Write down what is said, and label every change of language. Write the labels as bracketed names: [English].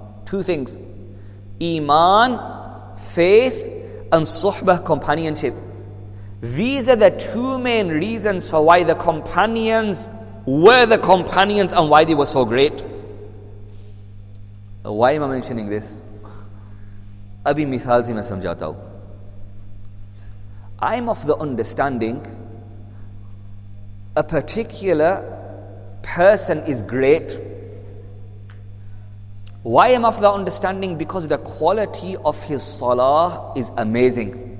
[English] Two things: iman, faith, and suhbah, companionship. These are the two main reasons for why the companions were the companions and why they were so great. Why am I mentioning this? [Urdu] ابھی مثال سے میں سمجھاتا ہوں۔ [English] I'm of the understanding a particular person is great. Why am I of the understanding? Because the quality of his salah is amazing.